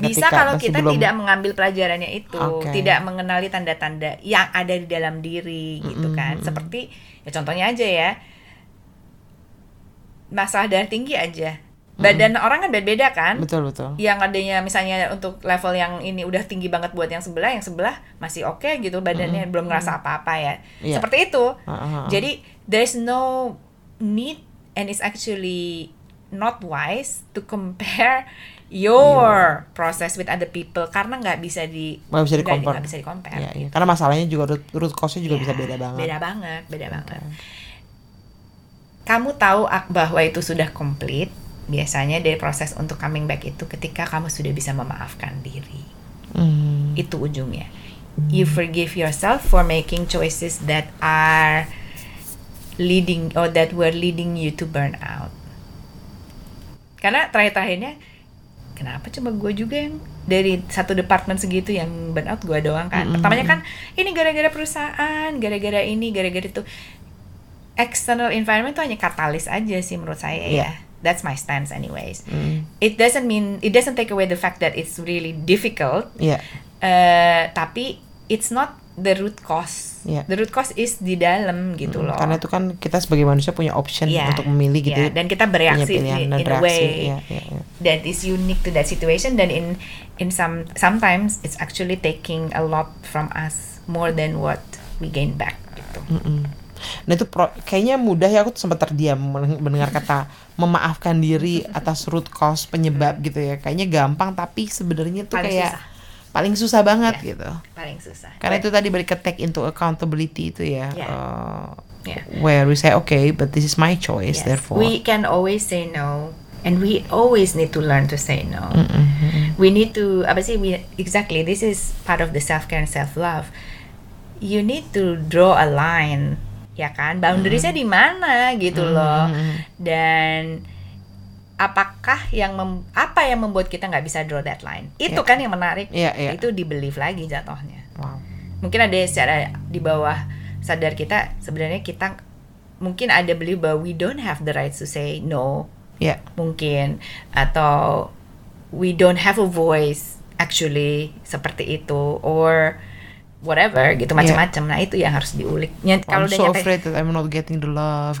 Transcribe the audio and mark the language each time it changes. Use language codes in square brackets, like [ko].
[id] Bisa kalau kita belum tidak mengambil pelajarannya itu, tidak mengenali tanda-tanda yang ada di dalam diri gitu kan. Seperti ya contohnya aja ya, masalah darah tinggi aja. Badan orang kan beda-beda kan. Betul-betul. Yang adanya misalnya untuk level yang ini udah tinggi banget, buat yang sebelah masih oke gitu badannya, belum ngerasa apa-apa ya. Seperti itu. Jadi [en] there's no need, and it's actually not wise to compare your process with other people, [id] karena nggak bisa di compare. Karena masalahnya juga root cause-nya juga bisa beda banget. Kamu tahu bahwa itu sudah complete biasanya dari proses untuk [en] coming back [id] itu ketika kamu sudah bisa memaafkan diri. Itu ujungnya. [en] You forgive yourself for making choices that are leading or that were leading you to burn out. [id] Karena terakhir-terakhirnya, kenapa cuma gue juga yang dari satu departemen segitu yang burn out, gue doang kan. Pertamanya kan ini gara-gara perusahaan, gara-gara ini, gara-gara itu. External environment itu hanya katalis aja sih menurut saya ya. [en] That's my stance anyways. It doesn't take away the fact that it's really difficult. [id] Tapi [en] it's not the root cause. The root cause is [id] di dalam gitu loh. Karena itu kan kita sebagai manusia punya option untuk memilih gitu. Dan kita bereaksi [en] in a way. That is unique to that situation. [id] Dan [en] sometimes it's actually taking a lot from us, more than what we gain back [id] gitu. Nah itu kayaknya mudah ya, aku sempat terdiam mendengar kata memaafkan diri atas root cause, penyebab gitu ya. Kayaknya gampang, tapi sebenarnya tuh kayak susah. Paling susah banget gitu. Paling susah. Karena itu tadi balik ke take into accountability itu ya. [en] Where we say okay, but this is my choice, therefore. We can always say no, and we always need to learn to say no. We need to, exactly, this is part of the self-care and self-love. You need to draw a line, [id] ya kan? Boundaries-nya di mana gitu loh. Dan apa yang membuat kita nggak bisa [en] draw that line? [id] Itu kan yang menarik. Itu di belief lagi jatohnya. Mungkin ada secara di bawah sadar kita, sebenarnya kita mungkin ada belief bahwa [en] we don't have the right to say no. [id] Mungkin, atau [en] we don't have a voice actually, [id] seperti itu, [en] or whatever [id] gitu, macam-macam. Nah itu yang harus diulik. Kalau [en] I'm so afraid that I'm not getting the love.